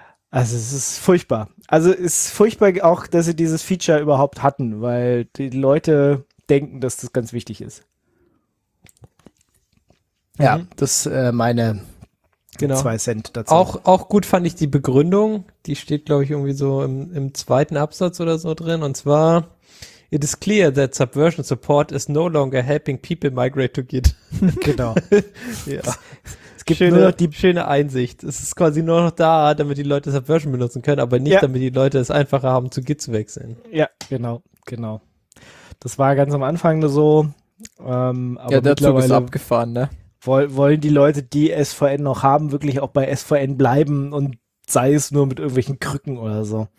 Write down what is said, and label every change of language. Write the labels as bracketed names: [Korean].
[German] Also es ist furchtbar. Also es ist furchtbar auch, dass sie dieses Feature überhaupt hatten, weil die Leute denken, dass das ganz wichtig ist. Ja, das meine genau. 2 Cent dazu. Auch gut fand ich die Begründung. Die steht, glaube ich, irgendwie so im zweiten Absatz oder so drin. Und zwar, [English] it is clear that Subversion Support is no longer helping people migrate to Git. [German] Genau. Ja. Gibt schöne, nur noch die schöne Einsicht. Es ist quasi nur noch da, damit die Leute Subversion benutzen können, aber nicht, damit die Leute es einfacher haben, zu Git zu wechseln. Ja, genau. Das war ganz am Anfang nur so. Aber der Zug ist abgefahren, ne? Wollen die Leute, die SVN noch haben, wirklich auch bei SVN bleiben und sei es nur mit irgendwelchen Krücken oder so?